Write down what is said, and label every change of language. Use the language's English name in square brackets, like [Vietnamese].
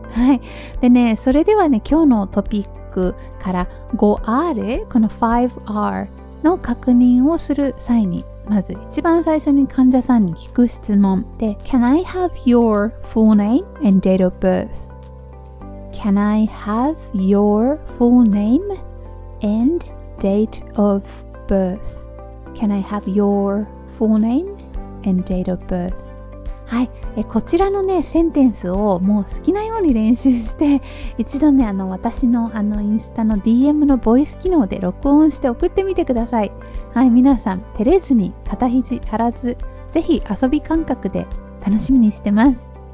[Japanese] はい、でね、それではね、今日のトピックから 5R、 この 5R の確認をする際に、まず一番最初に患者さんに聞く質問で、 [English] Can I have your full name and date of birth? Can I have your full name and date of birth? Can I have yourFull name and date of birth. [Japanese] はい、こちらのね、センテンスをもう好きなように練習して、一度ね、私のインスタの DM のボイス機能で録音して送ってみてください。はい、皆さん照れずに、肩肘張らず、ぜひ遊び感覚で楽しみにしてます。